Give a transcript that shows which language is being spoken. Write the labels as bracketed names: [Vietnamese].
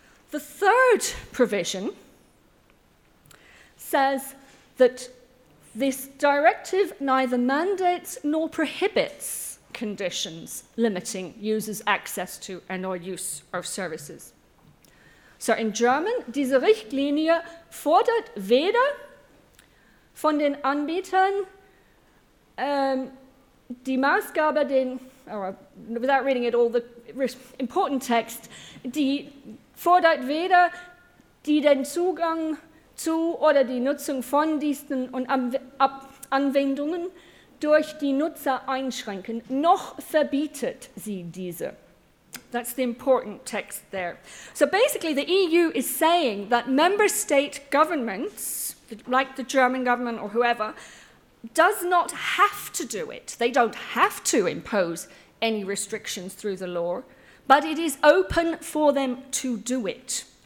[English] The third provision says that this directive neither mandates nor prohibits conditions limiting users' access to and or use of services. So in German, [German] diese Richtlinie fordert weder von den Anbietern die Maßgabe den, [English] or without reading it all, the important text, [German] die fordert weder die den Zugang zu oder die Nutzung von Diensten und Anwendungen durch die Nutzer einschränken, noch verbietet sie diese. [English] That's the important text there. So basically, the EU is saying that member state governments, like the German government or whoever, does not have to do it. They don't have to impose any restrictions through the law, but it is open for them to do it.